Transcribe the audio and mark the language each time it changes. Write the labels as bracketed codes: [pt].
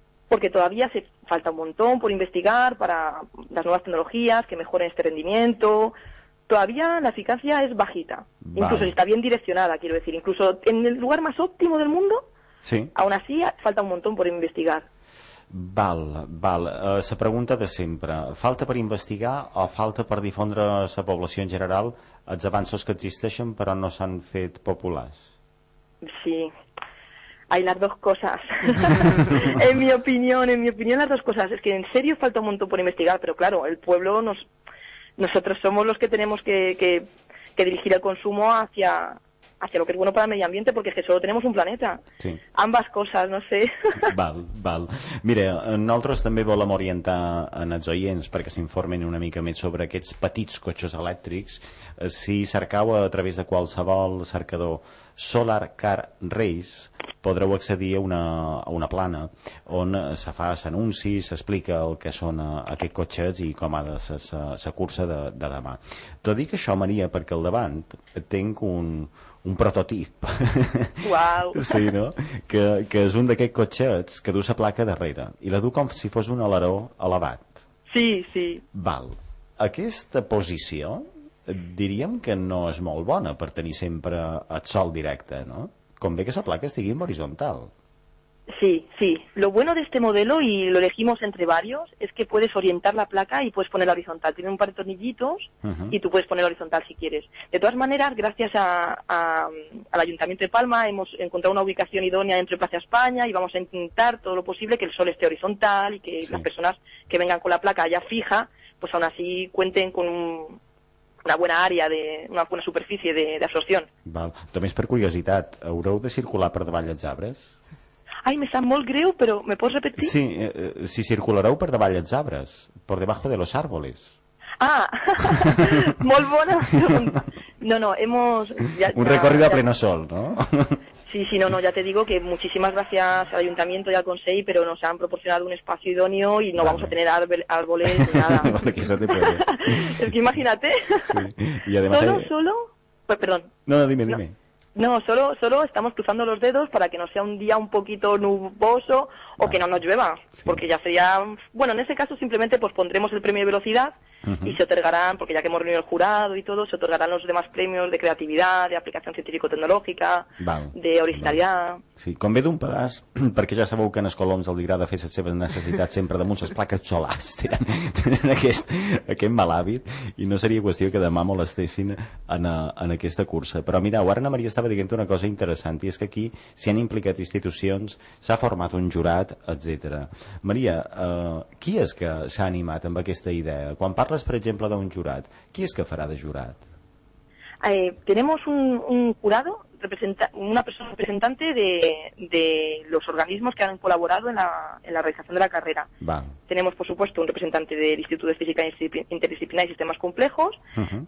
[es] Porque todavía se falta un montón por investigar para las nuevas tecnologías que mejoren este rendimiento. Todavía la eficacia es bajita. Vale. Incluso está bien direccionada, quiero decir. Incluso en el lugar más óptimo del mundo, sí, aún así falta un montón por investigar. [ca] Val, val. La pregunta de sempre. Falta per investigar o falta per difondre a la població en general els avanços que existeixen però no s'han fet populars? [es] Sí. Hay las dos cosas. en mi opinión las dos cosas. Es que en serio falta un montón por investigar, pero claro, el pueblo nosotros somos los que tenemos que dirigir el consumo hacia lo que es bueno para el medio ambiente, porque es que solo tenemos un planeta. Sí. Ambas cosas, no sé. [ca] Val, val. Mira, nosaltres també volem orientar en els oients perquè s'informin una mica més sobre aquests petits cotxes elèctrics. Si cercau a través de qualsevol cercador Solar Car Race, podreu accedir a una plana on se fa l'anunci, s'explica el que són aquests cotxes i com ha de ser la cursa de demà. T'ho dic això, Maria, perquè al davant tinc un prototip. Uau! Sí, no? Que és un d'aquests cotxets que du la placa darrere i la du com si fos un aleró elevat. Sí, sí. Val. Aquesta posició diríem que no és molt bona per tenir sempre el sol directe, no? Convé que la placa estigui en horitzontal. Sí, sí. [es] Lo bueno de este modelo, y lo elegimos entre varios, es que puedes orientar la placa y puedes ponerla horizontal. Tiene un par de tornillitos, uh-huh, y tú puedes ponerla horizontal si quieres. De todas maneras, gracias al Ayuntamiento de Palma, hemos encontrado una ubicación idónea dentro de Plaza España y vamos a intentar todo lo posible que el sol esté horizontal y que sí, las personas que vengan con la placa ya fija, pues aún así cuenten con una buena área, una buena superficie de absorción. [ca] Val. Només per curiositat, haureu de circular per davall els arbres? Ai, me sap molt greu, però me pots repetir? Sí, si circulareu per davall els arbres, [es] por debajo de los árboles. [ca] Ah, molt bona pregunta. [es] No, hemos... Un recorrido a pleno sol, ¿no? Sí, ya te digo que muchísimas gracias al Ayuntamiento y al Consell, pero nos han proporcionado un espacio idóneo y no vamos a tener árboles ni nada. Vale, que eso te puede. Es que imagínate. Sí. Y además solo... Pues perdón. No, dime. No, solo estamos cruzando los dedos para que no sea un día un poquito nuboso o que no nos llueva, sí, porque ya sería... Bueno, en ese caso simplemente pues pondremos el premio de velocidad, uh-huh, y se otorgarán, porque ya que hemos reunido el jurado y todo, se otorgarán los demás premios de creatividad, de aplicación científico-tecnológica, de originalidad... [ca] Sí, convé d'un pedaç, perquè ja sabeu que en els coloms els agrada fer les seves necessitats sempre damunt les plaques solars, tenen aquest mal hàbit, i no seria qüestió que demà molestessin en aquesta cursa. Però mireu, ara Maria estava dient una cosa interessant, i és que aquí s'hi han implicat institucions, s'ha format un jurat, etc. Maria, qui és que s'ha animat amb aquesta idea? Quan parles, per exemple, d'un jurat, qui és que farà de jurat? [es] Tenemos un jurado, una persona representante de los organismos que han colaborado en la realización de la carrera. [ca] Va. [es] Tenemos, por supuesto, un representante del Instituto de Física Interdisciplinar y Sistemas Complejos. Uh-huh.